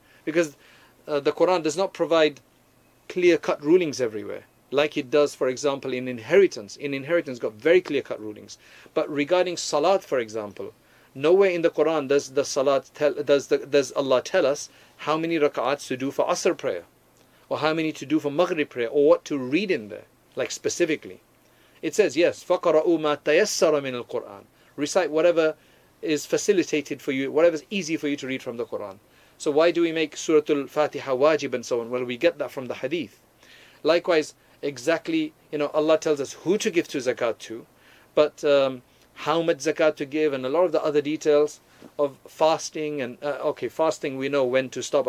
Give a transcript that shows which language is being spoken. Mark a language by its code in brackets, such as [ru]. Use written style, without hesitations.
[en] Because the Qur'an does not provide clear-cut rulings everywhere, like it does, for example, in inheritance. In inheritance, got very clear-cut rulings. But regarding salat, for example, nowhere in the Quran does Allah tell us how many rak'ats to do for asr prayer, or how many to do for maghrib prayer, or what to read in there, like specifically. It says, yes, [ar] فَقَرَأُوا مَا تَيَسَّرَ مِنَ الْقُرْآنِ. [en] Recite whatever is facilitated for you, whatever is easy for you to read from the Quran. So why do we make Suratul Fatiha wajib and so on? Well, we get that from the hadith. Likewise, exactly, Allah tells us who to give to zakat to, but how much zakat to give, and a lot of the other details of fasting, and fasting, we know when to stop.